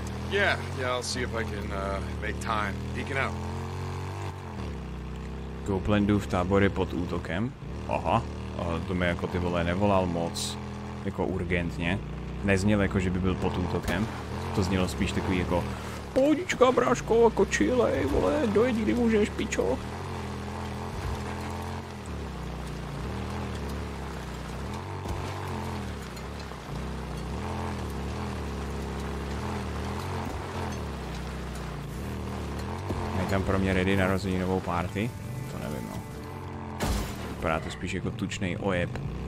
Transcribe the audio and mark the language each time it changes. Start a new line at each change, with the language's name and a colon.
English: Yeah, I'll see if I can make time. Peeking out.
Czech: Koplendův tábor je pod útokem. Aha, a to mi jako ty vole nevolal moc. Jako urgentně. Nezněl jako, že by byl pod útokem. To znělo spíš takový jako pohodička, bráško, jako chillej, vole, dojď, kdy můžeš, pičo. Tam pro mě ready narození novou party? To nevím, no. Vypadá to spíš jako tučnej ojeb.